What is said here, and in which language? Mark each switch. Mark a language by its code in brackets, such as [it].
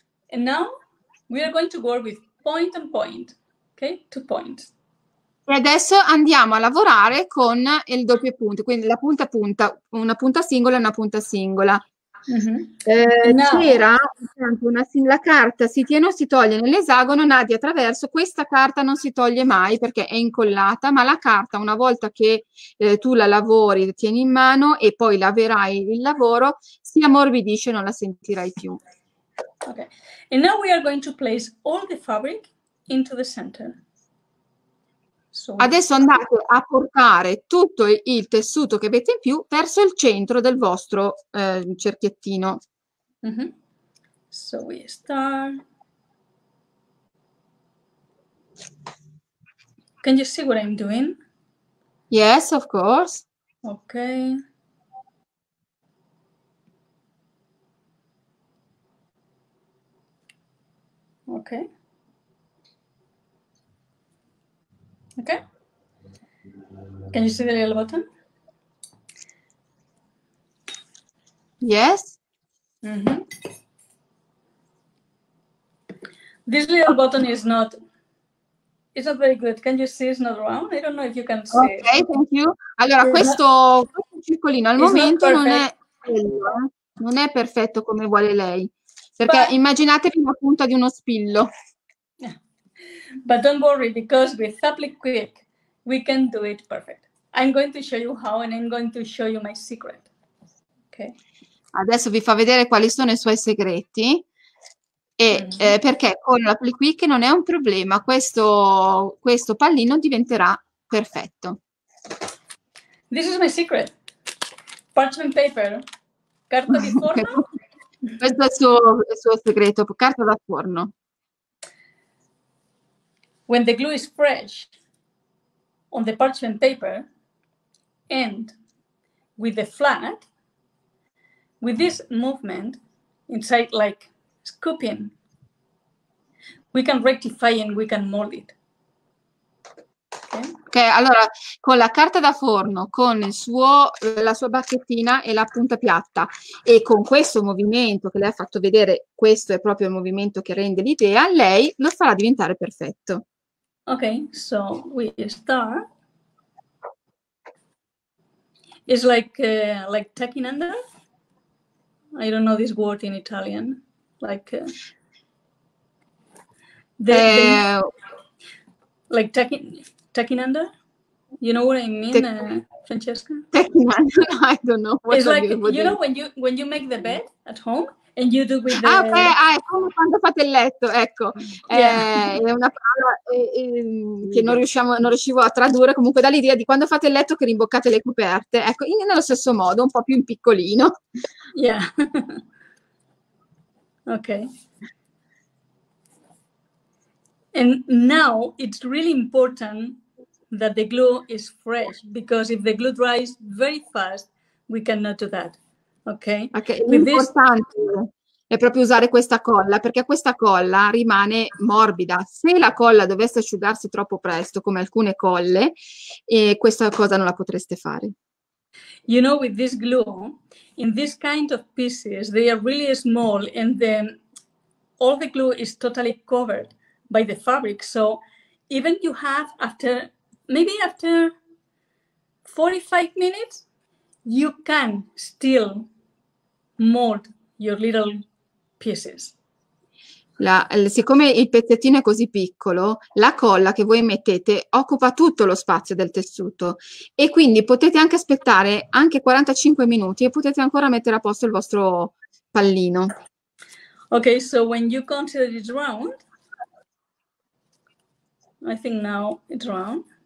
[en] And now we are going to work with point and point, okay? Two points. [it] E adesso andiamo a lavorare con il doppio punto, quindi la punta a punta, una punta singola e una punta singola. Mm-hmm. La carta si tiene o si toglie nell'esagono, Nadia, attraverso questa carta non si toglie mai perché è incollata, ma la carta una volta che tu la lavori, la tieni in mano e poi laverai il lavoro, si ammorbidisce, non la sentirai più. [en] Okay. And now we are going to place all the fabric into the center. So. [it] Adesso andate a portare tutto il tessuto che avete in più verso il centro del vostro cerchiettino. [en] Mm-hmm. So we start. Can you see what I'm doing? Yes, of course. Okay. Okay. Okay. Can you see the little button? Yes. Mm-hmm. This little button is not. It's not very good. Can you see? It's not round. I don't know if you can see. Okay. Thank you. [it] Allora, questo circolino al momento non è perfetto come vuole lei. Perché immaginatevi la punta di uno spillo. [en] But don't worry, because with ThapliQuick we can do it perfect. I'm going to show you how, and I'm going to show you my secret. Okay. [it] Adesso vi fa vedere quali sono i suoi segreti. E perché con ThapliQuick non è un problema, questo pallino diventerà perfetto. [en] This is my secret. Parchment paper. [it] Carta di forno. Questo è il suo segreto, carta da forno. [en] When the glue is fresh on the parchment paper and with the flat, with this movement inside, like scooping, we can rectify and we can mold it. Okay. [it] Ok, allora, con la carta da forno, con la sua bacchettina e la punta piatta, e con questo movimento che lei ha fatto vedere, questo è proprio il movimento che rende l'idea, lei lo farà diventare perfetto. [en] Ok, so we start. It's like tucking under. I don't know this word in Italian. Like tucking under. You know what I mean, Francesca? Tucking under. I don't know. What it's like you, you know when you make the bed at home. And you do with the... [it] Ah, è come quando fate il letto, ecco. [en] Yeah. [it] È una parola che non riuscivo a tradurre, comunque dall'idea di quando fate il letto che rimboccate le coperte. Ecco, nello stesso modo, un po' più in piccolino. [en] Yeah. Ok. And now it's really important that the glue is fresh, because if the glue dries very fast, we cannot do that. Ok, [it] l'importante è proprio usare questa colla, perché questa colla rimane morbida. Se la colla dovesse asciugarsi troppo presto, come alcune colle, questa cosa non la potreste fare. [en] You know, with this glue, in this kind of pieces, they are really small, and then all the glue is totally covered by the fabric. So even you have after 45 minutes, you can still mold your little pieces. [it] Siccome il pezzettino è così piccolo, la colla che voi mettete occupa tutto lo spazio del tessuto, e quindi potete anche aspettare anche 45 minuti e potete ancora mettere a posto il vostro pallino. [en] Okay, so when you consider it round, I think now it's round.